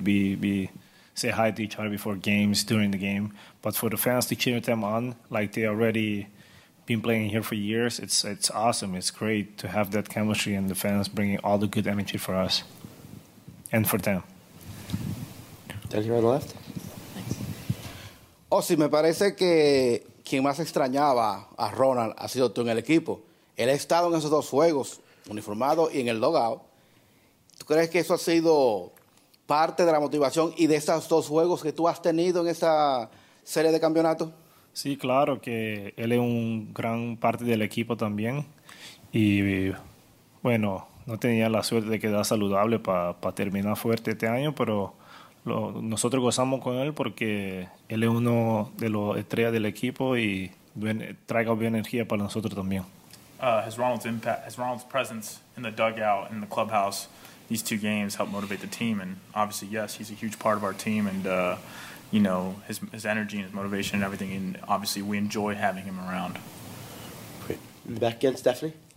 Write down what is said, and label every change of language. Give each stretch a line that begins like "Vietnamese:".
English: We say hi to each other before games, during the game. But for the fans to cheer them on, like they already been playing here for years, it's awesome. It's great to have that chemistry and the fans bringing all the good energy for us and for them. Tell you on the left. Thanks.
Spanish: Ozzie, me parece que quien más extrañaba a Ronald ha sido tú en el equipo. Él ha estado en esos dos juegos, uniformado y en el logout. ¿Tú crees que eso ha sido parte de la motivación y de esos dos juegos que tú has tenido en esa serie de campeonato? Sí, claro, que él es un gran parte del equipo también. Y bueno, no tenía la suerte de quedar saludable para terminar fuerte este año, pero nosotros gozamos con él porque él es uno de los estrellas del equipo y trae buena energía para nosotros también.
English: Has Ronald's impact, has Ronald's presence in the dugout, in the clubhouse, these two games helped motivate the team? And obviously, yes, he's a huge part of our team. And you know, his energy and his motivation and everything, and obviously we enjoy having him around. Great. In the back again, Stephanie?